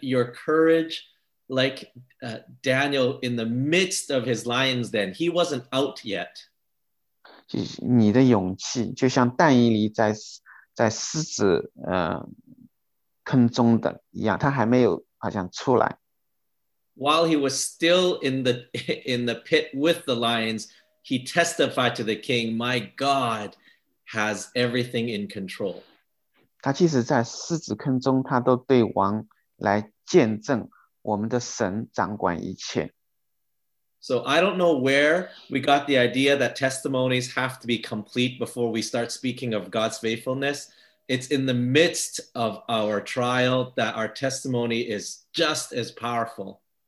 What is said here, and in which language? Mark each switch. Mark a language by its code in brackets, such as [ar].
[en] your courage, like Daniel in the midst of his lion's den, he wasn't out yet. [zh] 你的勇气就像但以理在狮子 坑中的一样，他还没有好像出来。 [en] While he was still in the pit with the lions, he testified to the king, "My God has everything in control." [zh] 他即使在狮子坑中，他都对王来见证，我们的神掌管一切。 [en] So I don't know where we got the idea that testimonies have to be complete before we start speaking of God's faithfulness. It's in the midst of our trial that our testimony is just as powerful.